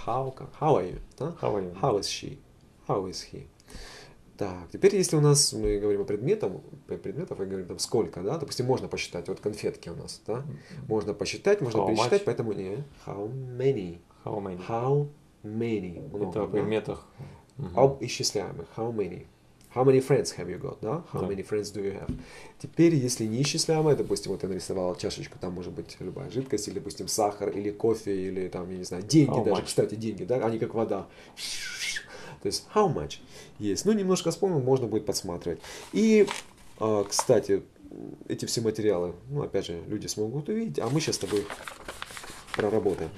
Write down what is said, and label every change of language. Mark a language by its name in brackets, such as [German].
[English] How, как? How are you? Да? How are you? How is she? How is he? [Russian] Так, теперь если у нас мы говорим о предметах, и говорим там сколько, да, допустим, можно посчитать, вот конфетки у нас, да, можно посчитать, можно [English] how [Russian] пересчитать, [English] much? [Russian] Поэтому не how many, [English] how many, how many, [Russian] много, это о предметах, да? Об исчисляемых, [English] how many friends have you got, да, how many friends do you have. [Russian] Теперь если неисчисляемое, допустим, вот я нарисовал чашечку, там может быть любая жидкость, или, допустим, сахар, или кофе, или там, я не знаю, деньги [English] how [Russian] даже, [English] much? [Russian] Кстати, деньги, да, они как вода. То есть how much есть. Ну, немножко вспомнил, можно будет подсматривать. И, кстати, эти все материалы, ну, опять же, люди смогут увидеть, а мы сейчас с тобой проработаем.